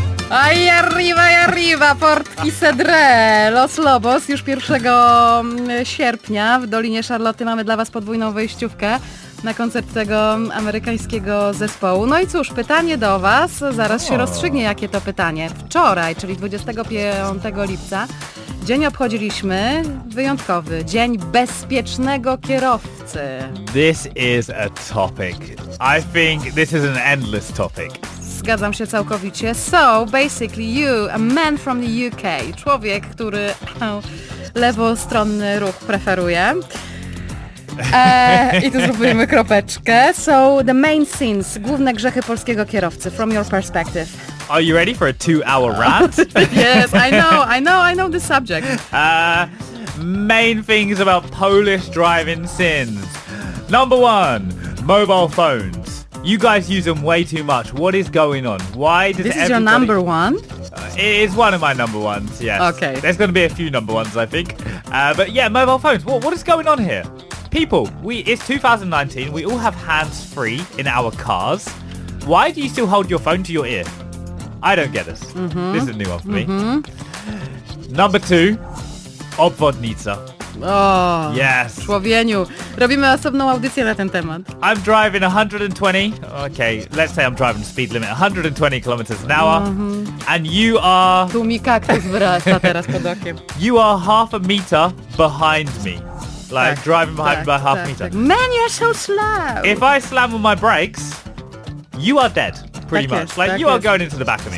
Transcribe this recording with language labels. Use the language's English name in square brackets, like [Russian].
[Polish] Aj, arriva, arriva, portki sedre, Los Lobos, już 1 sierpnia w Dolinie Charlotte mamy dla Was podwójną wejściówkę na koncert tego amerykańskiego zespołu. No i cóż, pytanie do Was, zaraz się rozstrzygnie, jakie to pytanie. Wczoraj, czyli 25 lipca, dzień obchodziliśmy, wyjątkowy, dzień bezpiecznego kierowcy. [English] This is a topic. I think this is an endless topic. [Polish] Zgadzam się całkowicie. [English] So, basically you, a man from the UK, [Polish] człowiek, który lewostronny ruch preferuje. I tu zrobimy kropeczkę. [English] So, the main sins, [Polish] główne grzechy polskiego kierowcy, [English] from your perspective. Are you ready for a two-hour rant? Yes, I know the subject. Main things about Polish driving sins. Number one, mobile phones. You guys use them way too much. What is going on? Why does this This is your number one? It is one of my number ones, yes. Okay. There's going to be a few number ones, I think. But yeah, mobile phones. What is going on here? People, it's 2019. We all have hands free in our cars. Why do you still hold your phone to your ear? I don't get this. Mm-hmm. This is a new one for mm-hmm. me. Number two, obwodnica. Oh, yes. [Polish] Człowieniu. Robimy osobną audycję na ten temat. [English] I'm driving 120. Okay, let's say I'm driving speed limit 120 kilometers an hour. Mm-hmm. And you are... [Polish] Tu mi kaktus wyrasta teraz pod okiem. [English] You are half a meter behind me. Like, driving behind me by half a meter. Tak. Man, you're so slow. If I slam on my brakes, you are dead, pretty [Polish] tak [English] much. [Polish] Jest, [English] like, [Polish] tak [English] you [Polish] jest. [English] Are going into the back of me.